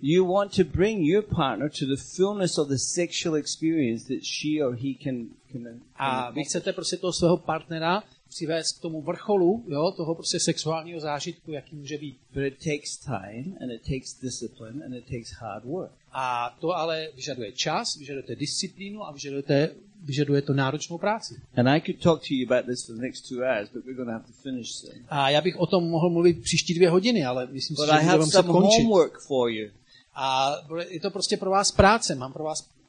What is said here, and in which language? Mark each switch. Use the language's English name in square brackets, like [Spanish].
[English] You want to bring your partner to the fullness of the sexual experience that she or he can. [Czech] A vy chcete prostě toho svého partnera přivést k tomu vrcholu, jo, toho prostě sexuálního zážitku, jaký může být. [English] But it takes time and it takes discipline and it takes hard work. [Czech] A to ale vyžaduje čas, vyžaduje disciplínu a vyžaduje to náročnou práci. [English] And I could talk to you about this for the next 2 hours, but we're going to have to finish soon. [Czech] A já bych o tom mohl mluvit příští 2 hodiny, ale myslím [English] but [Czech] si, že budu vám [English] some [Czech] končit. [English] Homework for you. [Czech] A je to prostě pro vás práce, mám pro vás